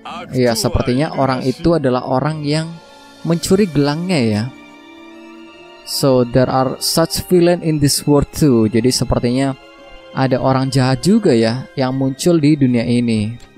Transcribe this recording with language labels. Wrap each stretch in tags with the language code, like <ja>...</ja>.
<id>Iya, sepertinya orang itu adalah orang yang mencuri gelangnya ya.</id> <en>So there are such villain in this world too.</en> <id>Jadi sepertinya ada orang jahat juga ya yang muncul di dunia ini.</id>